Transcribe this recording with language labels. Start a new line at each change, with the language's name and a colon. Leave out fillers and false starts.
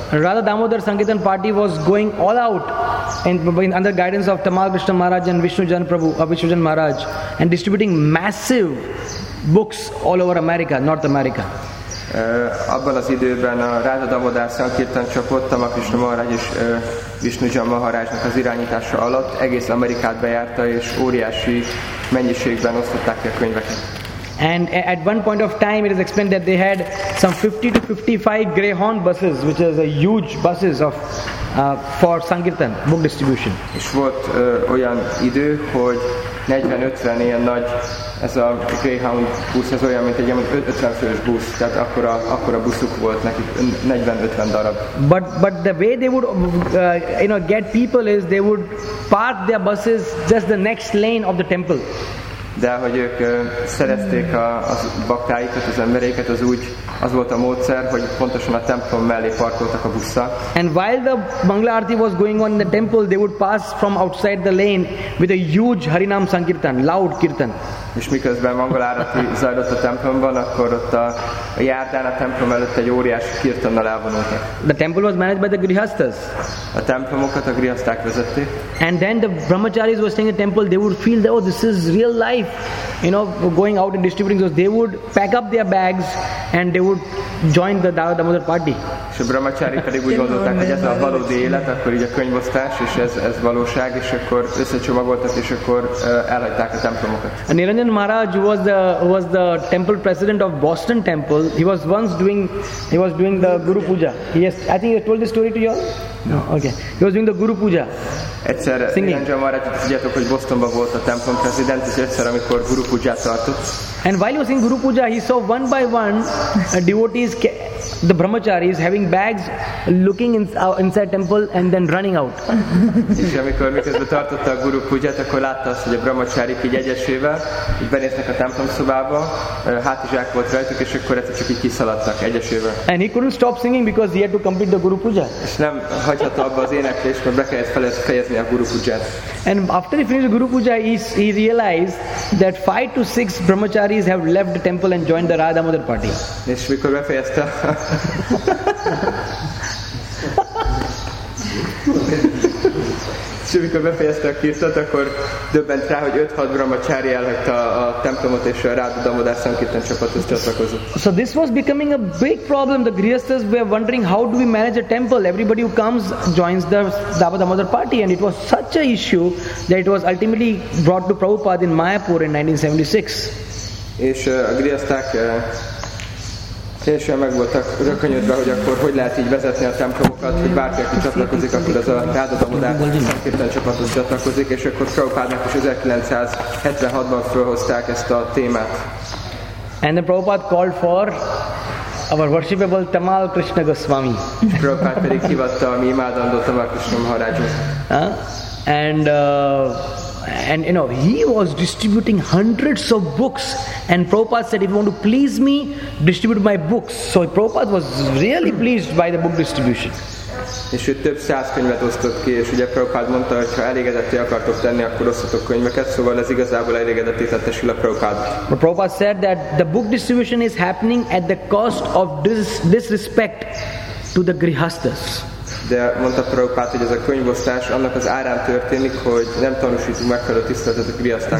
English: Radha Damodar Sankirtan party was going all out under guidance of Tamal Krishna Maharaj and Vishnujan Maharaj and distributing massive books all over America, North America.
Hungarian: Abban az időben a Radha Damodar Sankirtan csak ott Tamal Krishna Maharaj is Vishnujan Maharajnak az irányítása alatt egész Amerikát bejárta és óriási mennyiségben osztották ki a könyveket.
English: And at one point of time it is explained that they had some 50 to 55 Greyhound buses, which is a huge buses of for Sankirtan book distribution.
Hungarian: És volt olyan idő, hogy 40-50 ilyen nagy, ez a Greyhound busz, ez olyan, mint egy 50 fős busz, tehát akkora buszuk volt nekik, 40-50 darab.
English: But the way they would get people is they would park their buses just the next lane of the temple.
Hungarian: De ahogy ők szerezték a baktáikat, az embereiket, az úgy, az volt a módszer, hogy pontosan a templom mellé parkoltak a busszal.
English: And while the Mangala Arati was going on in the temple, they would pass from outside the lane with a huge Harinam Sankirtan, loud kirtan.
Hungarian: És miközben Mangala Arati zajlott a templomban, akkor ott a járdán a templom előtt egy óriási kirtannal elvonultak.
English: The temple was managed by the grihasthas.
Hungarian: A templomokat a grihaszták vezették.
English: And then the brahmacharis were staying in the temple, they would feel that, oh, this is real life, you know, going out and distributing those. They would pack up their bags and they would join the Dada Damodar party.
Hungarian: És a brahmacharik pedig úgy gondolták, hogy ez a valódi élet, akkor így a könyvosztás, és ez valóság, és akkor összecsomagoltak, és akkor elhagyták a templomokat.
English: And Niranjan Maharaj was the temple president of Boston Temple. He was doing the Guru Puja. Yes, I think he told this story to you all? No. Okay. He was doing the Guru Puja.
Hungarian: Egyszer Niranjan Maharaj, tudjátok, hogy Bostonban volt a templom president, és egyszer, amikor Guru Puja tartott.
English: And while he was in Guru Puja, he saw one by one devotees, the brahmacharis, having bags, looking inside temple and then running out.
Hungarian: És amikor miközben tartotta a Guru Pujat, akkor látta azt, hogy a brahmacharik így egyesével így benéznek a templom szobába, hátizsák volt rajtuk, és akkor ezt csak így kiszaladtak egyesével.
English: And he couldn't stop singing because he had to complete the Guru Puja.
Hungarian: És nem hagyhatta abba az éneklést, mert be kellett fejezni a Guru Pujat.
English: And after he finished the Guru Puja, he realized that 5 to 6 brahmacharis have left the temple and joined the Radha Damodar party.
Hungarian: És mikor befejezte, és És amikor befejezte a kirtat, akkor döbbent rá, hogy 5-6 brahmacsári elhagyta a templomot, és Ráda Damodár Sankirtan csapathoz csatlakozott.
English: So this was becoming a big problem. The grihasthas were wondering, how do we manage a temple? Everybody who comes joins the Dama Damodar party, and it was such a issue that it was ultimately brought to Prabhupada in Mayapur in 1976.
Hungarian: És a grihaszták teljesen meg voltak rökönyödve, hogy akkor hogy lehet így vezetni a templomokat, hogy bárki, aki csatlakozik, akkor az a Ráda Damodár Sankirtan csapathoz csatlakozik, és akkor Prabhupádnak is 1976-ban felhozták ezt a témát.
English: And then Prabhupada called for our worshipable Tamal Krishna Goswami.
Hungarian: És Prabhupada pedig hívatta a mi imádandó Tamal Krishna Maharajot.
English: And you know, he was distributing hundreds of books, and Prabhupada said, if you want to please me, distribute my books. So Prabhupada was really pleased by the book distribution.
Hungarian: És ő több száz könyvet osztott ki, és ugye Prabhupada mondta, hogy ha elégedetté akartok tenni, akkor osztatok könyveket, szóval ez igazából elégedetté tette Srila Prabhupádot.
English: But Prabhupada said that the book distribution is happening at the cost of disrespect to the grihasthas.
Hungarian: De mondta Prabhupád, hogy ez a könyvosztás annak az árán történik, hogy nem tanúsítunk meg a tiszteletet a grihasztásnak.